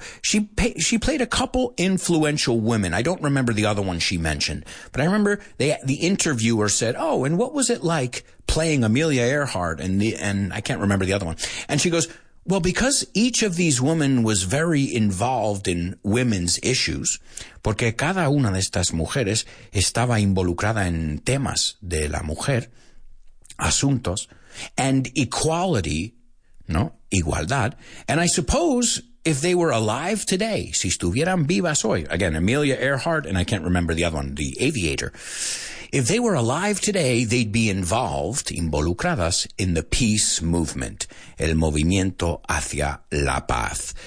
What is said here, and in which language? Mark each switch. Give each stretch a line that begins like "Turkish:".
English: She played a couple influential women. I don't remember the other one she mentioned, but I remember the interviewer said, "Oh, and what was it like playing Amelia Earhart?" And I can't remember the other one. And she goes, "Well, because each of these women was very involved in women's issues,
Spanish: porque cada una de estas mujeres estaba involucrada en temas de la mujer, asuntos."
English: And equality, no, igualdad. And I suppose if they were alive today,
Spanish: si estuvieran vivas hoy,
English: again, Amelia Earhart, and I can't remember the other one, the aviator. If they were alive today, they'd be involved, involucradas, in the peace movement,
Spanish: el movimiento hacia la paz.